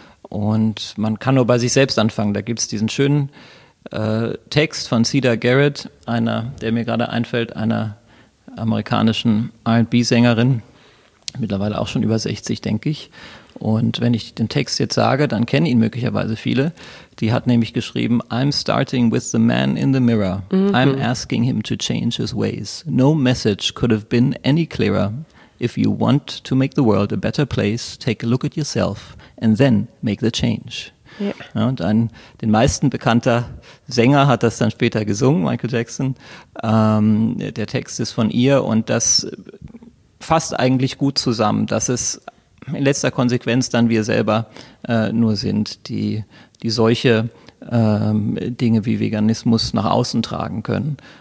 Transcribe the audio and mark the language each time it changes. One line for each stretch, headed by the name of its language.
German: Und man kann nur bei sich selbst anfangen. Da gibt es diesen schönen Text von Cedar Garrett, einer, der mir gerade einfällt, einer amerikanischen R&B-Sängerin, mittlerweile auch schon über 60, denke ich. Und wenn ich den Text jetzt sage, dann kennen ihn möglicherweise viele. Die hat nämlich geschrieben,
English: I'm starting with the man in the mirror. Mhm. I'm asking him to change his ways. No message could have been any clearer. If you want to make the world a better place, take a look at yourself and then make the change.
German: Ja. Ja, und ein den meisten bekannter Sänger hat das dann später gesungen, Michael Jackson. Der Text ist von ihr und das fasst eigentlich gut zusammen, dass es in letzter Konsequenz dann wir selber nur sind, die solche Dinge wie Veganismus nach außen tragen können.